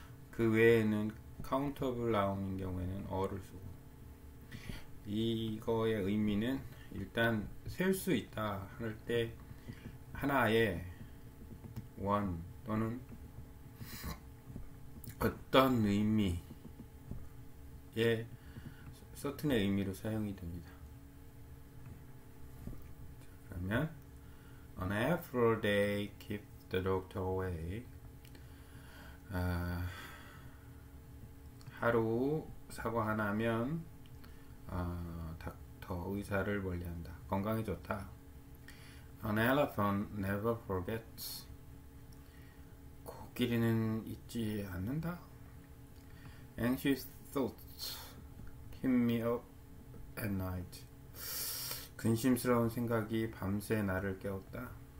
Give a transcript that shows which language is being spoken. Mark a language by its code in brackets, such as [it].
[ko] 그 외에는 [en] countable noun [ko] 인 경우에는 어를 쓰고, 이거의 의미는 일단 셀 수 있다 할 때 하나의 [en] one [ko] 또는 어떤 의미의 [en] certain [ko] 의 의미로 사용이 됩니다. [en] 자, 그러면 An apple a day keep the doctor away. [ko] 하루 사과 하나면 닥터 의사를 멀리한다. 건강이 좋다. [en] An elephant never forgets. [ko] 코끼리는 잊지 않는다. [en] Anxious thoughts keep me up at night. [ko] 근심스러운 생각이 밤새 나를 깨웠다.